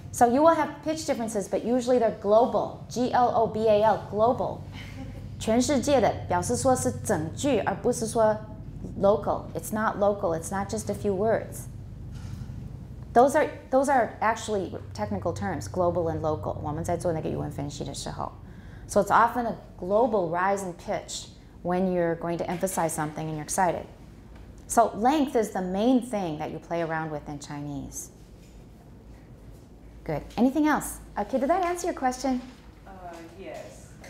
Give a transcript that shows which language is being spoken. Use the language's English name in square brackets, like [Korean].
[English] So you will have pitch differences, but usually they're global, G-L-O-B-A-L, global. [Chinese] 全世界的表示说是整句，而不是说 local. [English] It's not local, it's not just a few words. Those are actually technical terms, global and local. [Chinese] 我们在做那个语文分析的时候。 [English] So it's often a global rise in pitch when you're going to emphasize something and you're excited. So length is the main thing that you play around with in Chinese. Good. Anything else? Okay, did that answer your question? Yes.